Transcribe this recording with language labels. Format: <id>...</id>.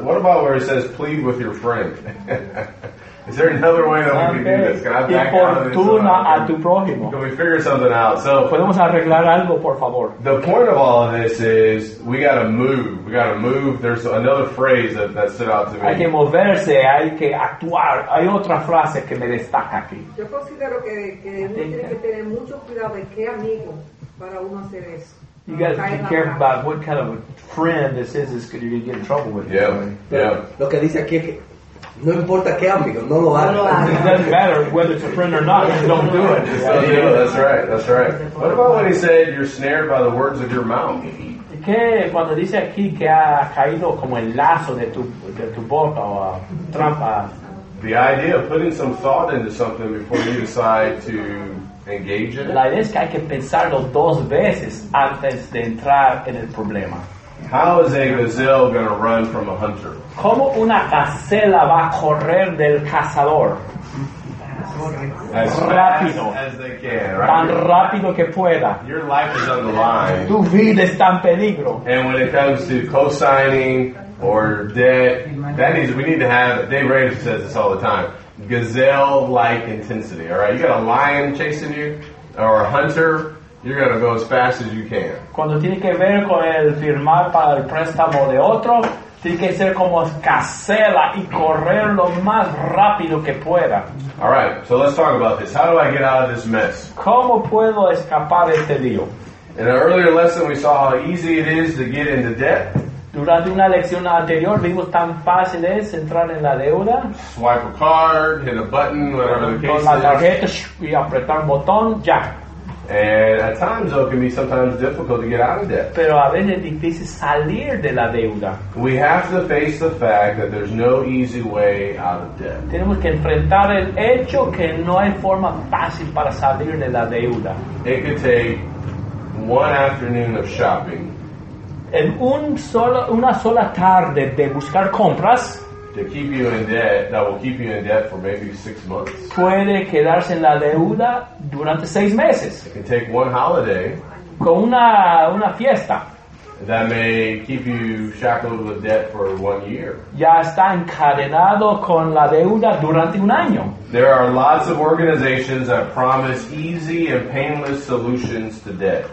<en>What about where it says plead with your friend? Is there another way that we can do this? Can I back</en> <es>Importuna</es> <en>out of this?</en> <es>A tu prójimo.</es> <en>Can we figure something out? So.</en> <es>Podemos arreglar algo, por favor.</es> <en>The point of all of this is we got to move. We got to move. There's another phrase that stood out to me.</en> <es>Hay que moverse. Hay que actuar. Hay otra frase que me destaca aquí. Yo considero que uno tiene que tener mucho cuidado de qué amigo. Para uno hacer eso.</es> <en>You got to be careful about what kind of a friend this is, because you're going to get in trouble with him. Yeah.</en> <es>Lo que dice aquí es que no importa qué amigo, no lo hagas.</es> <en>It doesn't matter whether it's a friend or not, don't do it. That's right. What about when he said you're snared by the words of your mouth?</en> <es>Que cuando dice aquí que ha caído como el lazo de tu boca o trampa.</es> <en>The idea of putting some thought into something before you decide to engage in it.</en> <es>La idea es que hay que pensarlo dos veces antes de entrar en el problema.</es> <en>How is a gazelle going to run from a hunter?</en> <es>¿Cómo una gacela va a correr del cazador?</es> <en>As</en> <es>rápido.</es> <en>As they can, right?</en> <es>Tan rápido que pueda.</es> <en>Your life is on the line.</en> <es>Tu vida está en peligro.</es> <en>And when it comes to co-signing or debt, that means we need to have, Dave Ramsey says this all the time, gazelle-like intensity, all right? You got a lion chasing you, or a hunter, you're going to go as fast as you can.</en> <es>Cuando tiene que ver con el firmar para el préstamo de otro, tiene que ser como gacela y correr lo más rápido que pueda.</es> <en>All right, so let's talk about this. How do I get out of this mess?</en> <es>¿Cómo puedo escapar de este lío?</es> <en>In an earlier lesson, we saw how easy it is to get into debt.</en> <es>Durante una lección anterior vimos tan fácil es entrar en la deuda.</es> <en>Swipe a card, hit a button, whatever the case is.</en> <es>Con la tarjeta y apretar un botón, ya.</es> <en>And at times though, it can be sometimes difficult to get out of debt.</en> <es>Pero a veces es difícil salir de la deuda.</es> <en>We have to face the fact that there's no easy way out of debt.</en> <es>Tenemos que enfrentar el hecho que no hay forma fácil para salir de la deuda.</es> <en>It could take one afternoon of shopping.</en> <es>En una sola tarde de buscar compras puede quedarse en la deuda durante 6 meses.</es> <en>It can take one holiday</en> <es>con una fiesta</es> <en>that may keep you shackled with debt for 1 year.</en> <es>Ya está encadenado con la deuda durante un año.</es> <en>There are lots of organizations that promise easy and painless solutions to debt.</en>